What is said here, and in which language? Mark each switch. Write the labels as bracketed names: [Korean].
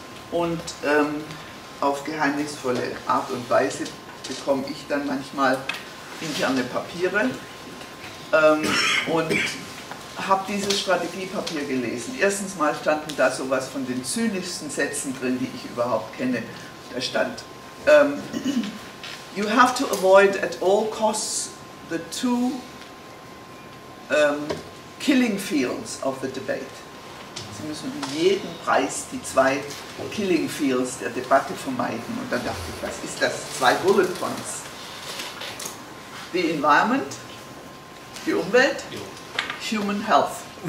[German] Und auf geheimnisvolle Art und Weise bekomme ich dann manchmal interne Papiere und habe dieses Strategiepapier gelesen. Erstens mal standen da sowas von den zynischsten Sätzen drin, die ich überhaupt kenne. Da stand, [English] you have to avoid at all costs the two killing fields of the debate. [German] Sie müssen um jeden Preis die zwei Killing Fields der Debatte vermeiden. Und dann dachte ich, was ist das? Zwei Bullet Points. [English] The environment, [German] die Umwelt, [English] human health.